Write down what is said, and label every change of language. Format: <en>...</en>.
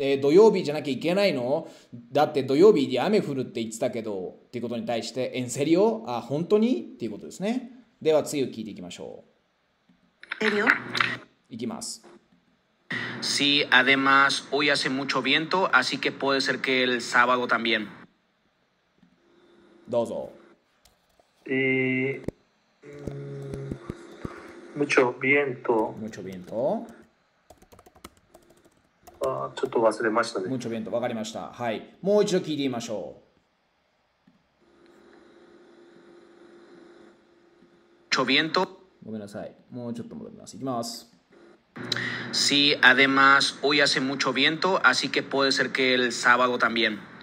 <ja>土曜日じゃなきゃいけないの？だって土曜日に雨降るって言ってたけど、っていうことに対して、</ja> <es>En serio?</es> <ja>あ、本当に？っていうことですね。では次を聞いていきましょう。いきます。</ja> <es>Sí, además, hoy hace mucho viento, así que puede ser que el sábado también.</es> <ja>どうぞ。</ja> <es>mucho viento. mucho viento。</es> <ja>あ、ちょっと忘れましたね。 mucho viento。 わかりました。はい、もう一度聞いてみましょう。</ja> <es>mucho viento。</es> <ja>ごめんなさい。もうちょっと戻ります。いきます。</ja> <es>Sí, además, hoy hace mucho viento, así que puede ser que el sábado también.</es>